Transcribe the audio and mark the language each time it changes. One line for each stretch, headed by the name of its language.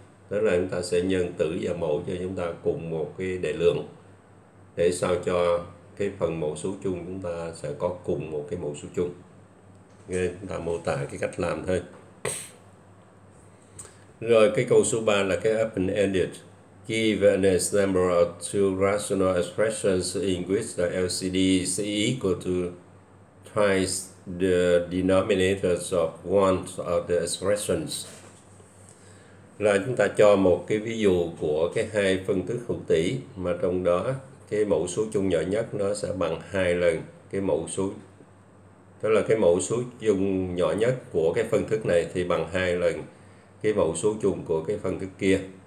Vietnamese: Tức là chúng ta sẽ nhân tử và mẫu cho chúng ta cùng một cái đại lượng để sao cho cái phần mẫu số chung chúng ta sẽ có cùng một cái mẫu số chung. Nghe chúng ta mô tả cái cách làm thôi. Rồi cái câu số 3 là cái open-ended.
English: Give an example of two rational expressions in which the LCD is equal to twice the denominators of one of the expressions.
Vietnamese: Là chúng ta cho một cái ví dụ của cái hai phân thức hữu tỉ mà trong đó cái mẫu số chung nhỏ nhất nó sẽ bằng hai lần cái mẫu số, tức là cái mẫu số chung nhỏ nhất của cái phân thức này thì bằng hai lần cái mẫu số chung của cái phân thức kia.